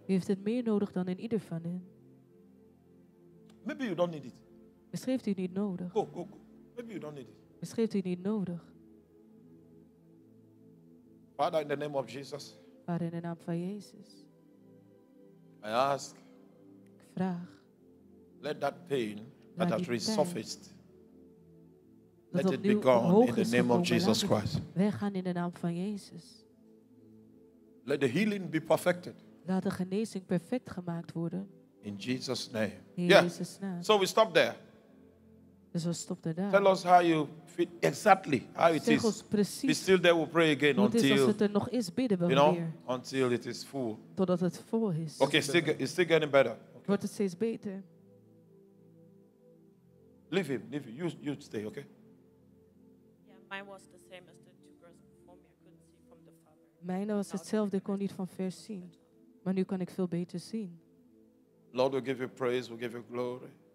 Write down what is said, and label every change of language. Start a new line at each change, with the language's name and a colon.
Dutch: U heeft het meer nodig dan in ieder van hen.
English: Maybe you don't need it.
Dutch: Misschien heeft u niet nodig.
English: Go, go, go. Maybe you don't need it.
Dutch: Misschien heeft u niet nodig.
English: Father, in the name of Jesus.
Dutch: Vader, in de naam van Jezus.
English: I ask. Let that pain that has resurfaced, let it be gone in the name of Jesus Christ.
Dutch: Wij gaan in de naam van Jezus.
English: Let the healing be perfected.
Dutch: Laat de genezing perfect gemaakt worden.
English: In Jesus' name. Yeah. So we stop there.
Dutch: Dus we stopten daar.
English: Tell us how you feel exactly how it is. We still there. We'll pray again until.
Dutch: Als het er nog is, bidden we weer.
English: You know, until it is full.
Dutch: Totdat het vol is.
English: Okay, it's still getting better.
Dutch: Wordt het steeds beter.
English: Leave him, leave him. You stay, okay? Yeah, mine was the same as the two girls before me. I couldn't see from the father.
Dutch: Mijn was hetzelfde, ik kon niet van ver zien. Maar nu kan ik veel beter zien.
English: Lord, we give you praise, we give you glory.